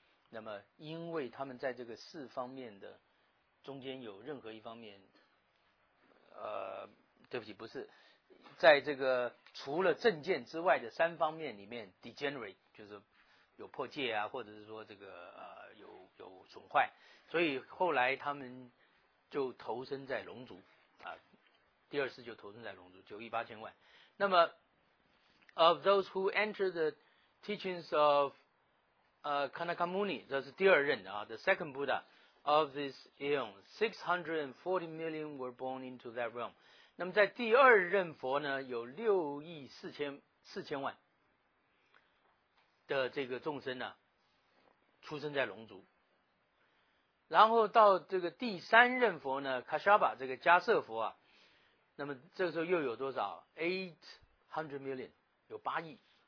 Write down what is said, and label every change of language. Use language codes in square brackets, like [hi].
[zh] 那么，因为他们在这个四方面的中间有任何一方面，对不起，不是，在这个除了正见之外的三方面里面 ，degenerate 就是有破戒啊，或者是说这个有损坏，所以后来他们就投身在龙族。第二次就投身在龙族，9亿8千万。那么 [en] ，of those who enter the teachings of Kanakamuni， [zh] 这是第二任啊 [en] ，the second Buddha of this eon， 640 million were born into that realm。 [zh] 那么在第二任佛呢，有6亿4千万的这个众生呢、啊，出生在龙族。然后到这个第三任佛呢 ，Kashyapa 这个迦叶佛啊。那么这个时候又有多少 ？ [en] 800 million， [zh] 有8亿。